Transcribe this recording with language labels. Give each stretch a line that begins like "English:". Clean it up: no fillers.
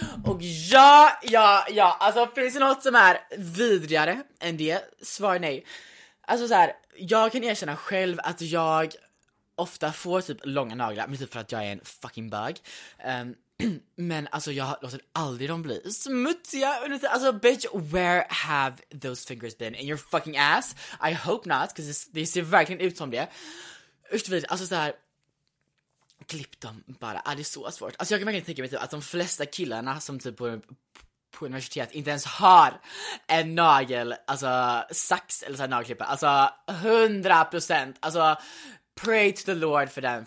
Swedish: Och ja, ja, ja, alltså finns det något som är vidrigare än det? Svar nej. Alltså så här, jag kan erkänna själv att jag ofta får typ långa naglar, men typ för att jag är en fucking bög. Men alltså jag låter aldrig dem bli smutsiga.
English: Alltså bitch, where have those fingers been? In your fucking ass? I hope not, because
Swedish: det ser verkligen ut som det. Ursvid, alltså så här, klipp dem bara, det är så svårt. Alltså jag kan verkligen tänka mig typ att de flesta killarna som typ på universitet inte ens har en nagel, alltså sax eller så här nagelklippar. Alltså 100%, alltså
English: pray to the lord
Swedish: för den.